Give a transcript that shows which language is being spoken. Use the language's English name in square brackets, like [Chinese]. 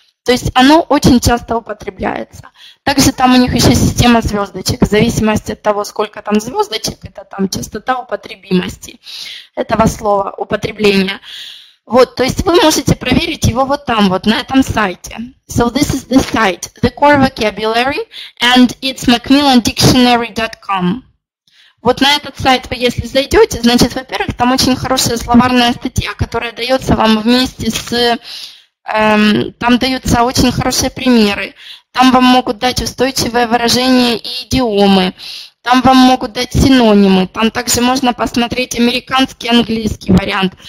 [Russian] То есть оно очень часто употребляется. Также там у них еще система звездочек. В зависимости от того, сколько там звездочек, это там частота употребимости этого слова, употребления. Вот, то есть вы можете проверить его вот там, вот на этом сайте. [English] So this is the site, the core vocabulary, and it's macmillandictionary.com. [Russian] Вот на этот сайт вы если зайдете, значит, во-первых, там очень хорошая словарная статья, которая дается вам вместе с... там даются очень хорошие примеры. Там вам могут дать устойчивые выражения и идиомы. Там вам могут дать синонимы. Там также можно посмотреть американский, английский вариант.